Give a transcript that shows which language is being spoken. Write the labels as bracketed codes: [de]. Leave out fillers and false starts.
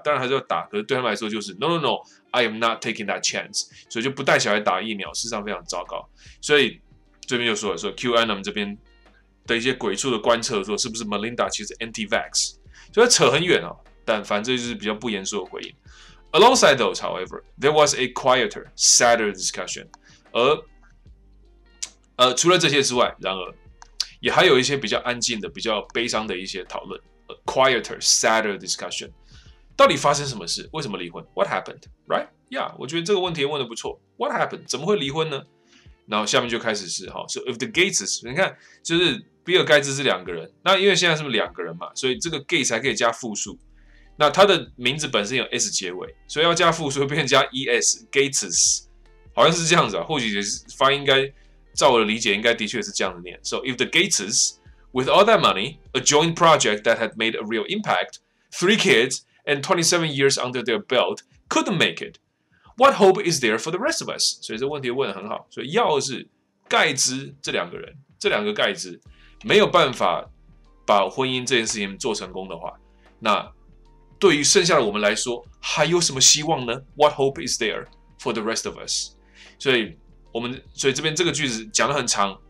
[zh] 当然还是要打，可是对他们来说就是 [en] no，I am not taking that chance， [zh] 所以就不带小孩打疫苗，事实上非常糟糕。所以这边就说了，说 QAnon 这边的一些鬼畜的观测，说是不是 Melinda 其实 anti-vax。就扯很远哦，但反正就是比较不严肃的回应。 [en] Alongside those, however, there was a quieter, sadder discussion. [zh] 而除了这些之外，然而也还有一些比较安静的、比较悲伤的一些讨论。 [en] A quieter, sadder discussion. [zh] 到底发生什么事？为什么离婚 ？ [en] What happened? Right? Yeah, [zh] 我觉得这个问题问的不错。 [en] What happened? [zh] 怎么会离婚呢？然后下面就开始是哈，所以 [en] if the Gateses， [zh] 你看就是。比尔盖茨是两个人，那因为现在是不是两个人嘛，所以这个 Gates 才可以加复数。那他的名字本身有 S 结尾，所以要加复数会变成加 ES Gates， 好像是这样子啊。或许也是发音应该，照我的理解，应该的确是这样子念。 [en] So if the Gateses with all that money, a joint project that had made a real impact, three kids and 27 years under their belt couldn't make it, what hope is there for the rest of us？ [zh] 所以这问题问得很好。所以要是盖茨这两个人，这两个盖茨。没有办法把婚姻这件事情做成功的话，那对于剩下的我们来说，还有什么希望呢 ？ [en] What hope is there for the rest of us？ [zh] 所以，这边这个句子讲得很长，